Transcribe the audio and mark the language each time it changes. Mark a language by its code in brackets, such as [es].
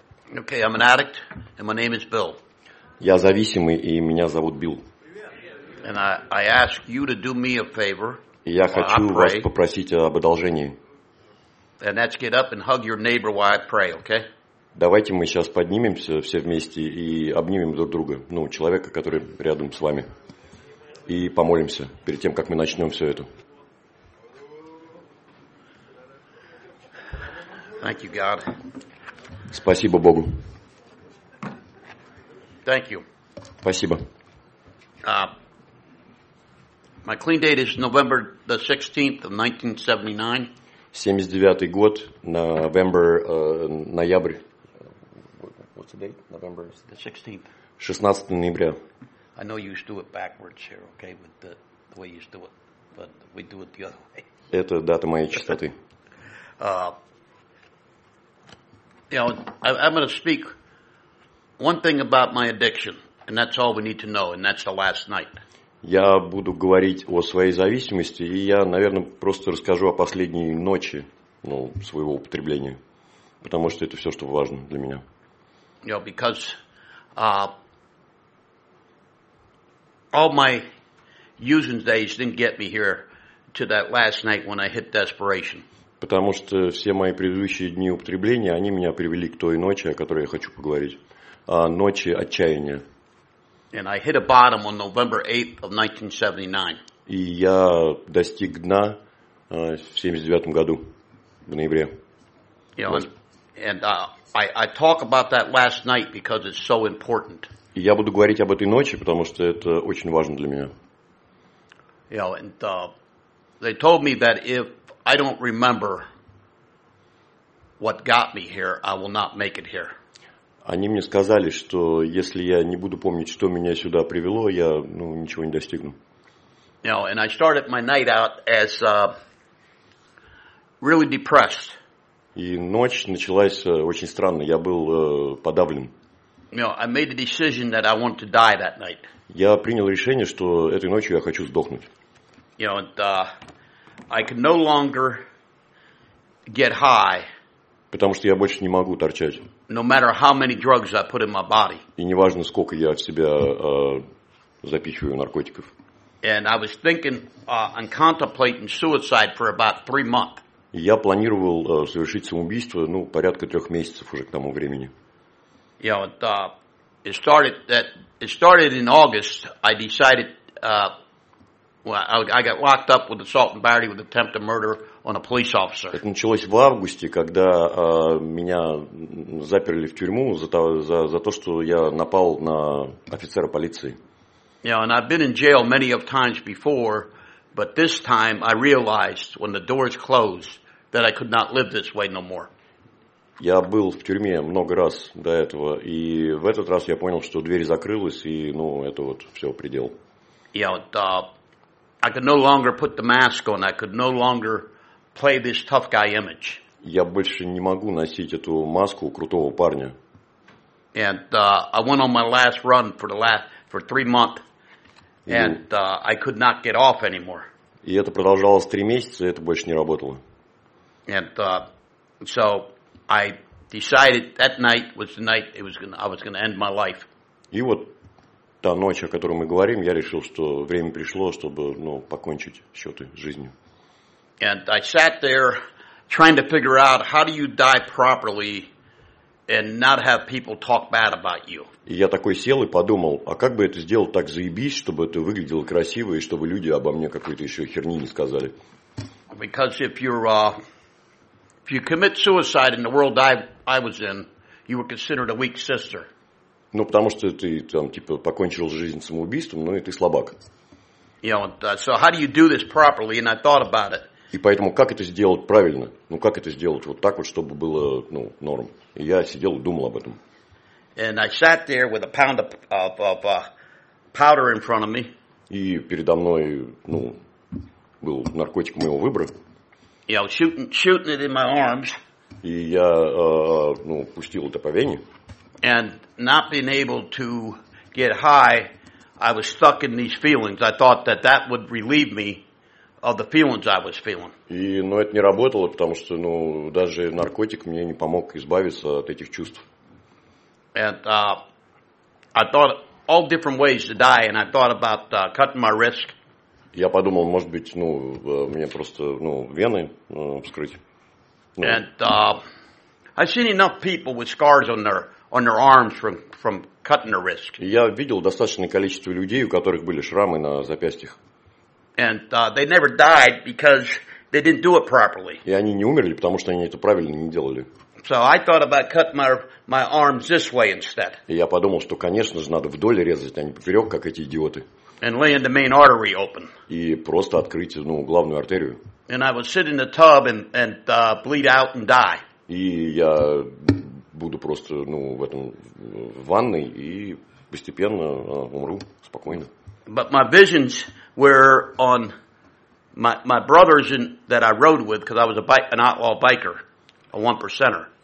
[en] Okay, I'm an addict, and my name is Bill. [ru] Я зависимый, и меня зовут Билл. [en] And I ask you to do me a favor. [ru] Я хочу вас попросить об одолжении. [en] And let's get up and hug your neighbor while I pray, okay? [ru] Давайте мы сейчас поднимемся все вместе и обнимем друг друга, ну, человека, который рядом с вами, и помолимся перед тем, как мы начнем все это. [en] Thank you, God. [ru] Спасибо Богу. [en] Thank you. [ru] Спасибо. [en] My clean date is November the 16th of 1979. [ru] 79-й год, ноябрь. [en] What's the date? November the 16th. [ru] 16 ноября. [en] I know you used to do it backwards here, okay, with the way you used to do it, but we do it the other way. [ru] Это дата моей чистоты. [en] You know, I'm going to speak one thing about my addiction, and that's all we need to know, and that's the last night. [ru] Я буду говорить о своей зависимости, и я, наверное, просто расскажу о последней ночи, ну, своего употребления, потому что это все, что важно для меня. [en] You know, because all my using days didn't get me here to that last night when I hit desperation. [ru] Потому что все мои предыдущие дни употребления, они меня привели к той ночи, о которой я хочу поговорить. А ночи отчаяния. [en] And I hit a bottom on November 8th of 1979. [ru] И я достиг дна в 79 году, в ноябре. [en] You know, and I talk about that last night because it's so important. [ru] И я буду говорить об этой ночи, потому что это очень важно для меня. [en] You know, and they told me that if I don't remember what got me here, I will not make it here. [ru] Они мне сказали, что если я не буду помнить, что меня сюда привело, я, ну, ничего не достигну. [en] You know, and I started my night out as really depressed. [ru] И ночь началась очень странно. Я был подавлен. [en] You know, I made the decision that I wanted to die that night. [ru] Я принял решение, что этой ночью я хочу сдохнуть. [en] You know, and, I could no longer get high. [ru] Потому что я больше не могу торчать. [en] No matter how many drugs I put in my body. [ru] И не важно, сколько я в себя запихиваю наркотиков. [en] And I was thinking and contemplating suicide for about 3 months. [ru] Я планировал совершить самоубийство, ну, порядка 3 месяцев уже к тому времени. [en] You know, it started in August. I decided I got locked up with assault and battery with attempt to murder on a police officer. [ru] Это началось в августе, когда меня заперли в тюрьму за то, что я напал на офицера полиции. [en] Yeah, and I've been in jail many of times before, but this time I realized when the doors closed that I could not live this way no more. [ru] Я был в тюрьме много раз до этого, и в этот раз я понял, что дверь закрылась, и, ну, это вот все, предел. [en] Yeah, вот, I could no longer put the mask on. I could no longer play this tough guy image. [ru] Я больше не могу носить эту маску крутого парня. [en] And I went on my last run for 3 months, and I could not get off anymore. [ru] И это продолжалось 3 месяца, и это больше не работало. [en] And so I decided that night was the night I was gonna end my life. [ru] И вот та ночь, о которой мы говорим, я решил, что время пришло, чтобы, ну, покончить счеты с жизнью. [en] And I sat there trying to figure out how do you die properly and not have people talk bad about you. [ru] И я такой сел и подумал, а как бы это сделать так заебись, чтобы это выглядело красиво и чтобы люди обо мне какой-то еще херни не сказали. [en] Because if you commit suicide in the world I was in, you were considered a weak sister. [ru] Ну, потому что ты там, типа, покончил жизнь самоубийством, ну и ты слабак. [en] You know, so how do you do this properly? And I thought about it. [ru] И поэтому, как это сделать правильно? Ну, как это сделать вот так вот, чтобы было, ну, норм? И я сидел и думал об этом. [en] And I sat there with a pound of powder in front of me. [ru] И передо мной, ну, был наркотиком моего выбора. [en] Yeah, shooting it in my arms. [ru] И я пустил это по вене. [en] And not being able to get high, I was stuck in these feelings. I thought that that would relieve me of the feelings I was feeling. [ru] И, но это не работало, потому что, ну, даже наркотик мне не помог избавиться от этих чувств. [en] And I thought all different ways to die, and I thought about cutting my wrist. [ru] Я подумал, может быть, ну, мне просто, ну, вены вскрыть. [en] And I've seen enough people with scars on their arms from cutting their wrist. [ru] Я видел достаточное количество людей, у которых были шрамы на запястьях. [en] And they never died because they didn't do it properly. [ru] И они не умерли, потому что они это правильно не делали. [en] So I thought about cutting my arms this way instead. [ru] И я подумал, что, конечно же, надо вдоль резать, а не поперек, как эти идиоты. [en] And laying the main artery open. [ru] И просто открыть, ну, главную артерию. [en] And I would sit in the tub and bleed out and die. [ru] И я буду просто, ну, в этом в ванной и постепенно умру спокойно. [en] But my visions were on my brothers that I rode with, because I was an outlaw biker, a one percenter.